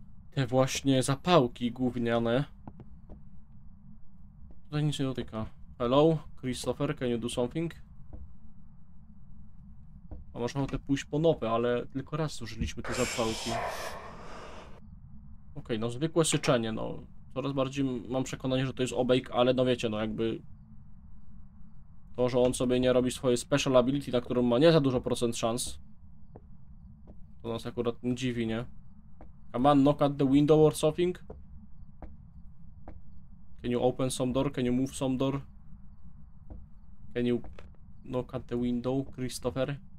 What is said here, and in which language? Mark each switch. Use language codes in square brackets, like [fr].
[pl] Te właśnie zapałki gówniane. Tutaj nic nie dotyka. [en] Hello, Christopher, can you do something? [pl] A można te pójść po nowe, ale tylko raz zużyliśmy te zapałki. Okej, okay, no zwykłe syczenie, no. Coraz bardziej mam przekonanie, że to jest obejk, ale no wiecie, no jakby... To, że on sobie nie robi swojej [en] special ability, [pl] na którą ma nie za dużo procent szans, to nas akurat nie dziwi, nie? [en] Come on, knock at the window or something? Can you open some door? Can you move some door? Can you knock at the window, Christopher?